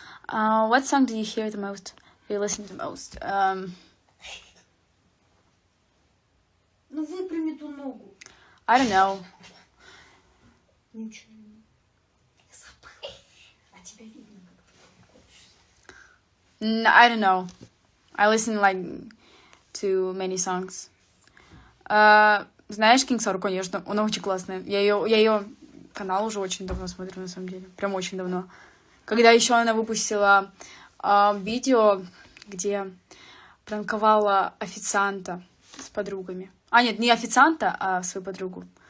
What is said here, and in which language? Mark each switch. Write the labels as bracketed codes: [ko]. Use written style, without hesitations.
[en] What song do you hear the most? Do you listen to the most? [ru] Ну, выпрями ту ногу. [en] I don't know. [ru] Ничего не забыл. А тебя видно, как ты хочешь. [en] I don't know. I listen, like, to many songs. [ru] Знаешь, Кингсор, конечно, он очень классный. Я ее канал уже очень давно смотрю, на самом деле. Прям очень давно. Когда еще она выпустила видео, где пранковала официанта с подругами. А, нет, не официанта, а свою подругу.